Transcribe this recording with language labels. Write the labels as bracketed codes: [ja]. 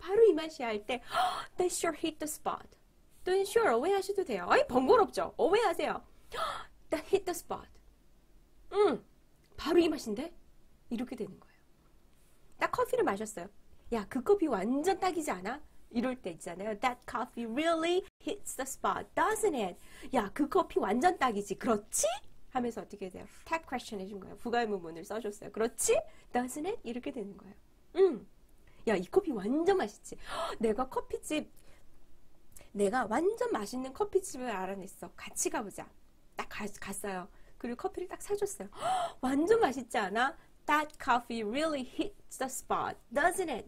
[ko] 바로 이 맛이야 할 때, [en] That sure hit the spot. [ko] 또는 sure away 하셔도 돼요. 아이, 번거롭죠? away 하세요. [en] That hit the spot. [ko] 바로 이 맛인데? 이렇게 되는 거예요. 딱 커피를 마셨어요. 야, 그 커피 완전 딱이지 않아? 이럴 때 있잖아요. [en] That coffee really hits the spot, doesn't it? [ko] 야, 그 커피 완전 딱이지. 그렇지? 하면서 어떻게 돼요? Tag question 해준 거예요. 부가의문문을 써줬어요. 그렇지? [en] Doesn't it? [ko] 이렇게 되는 거예요. 야, 이 커피 완전 맛있지. 내가 커피집, 내가 완전 맛있는 커피집을 알아냈어. 같이 가보자. 딱 갔어요. 그리고 커피를 딱 사줬어요. 완전 맛있지 않아? [en] That coffee really hits the spot, doesn't it?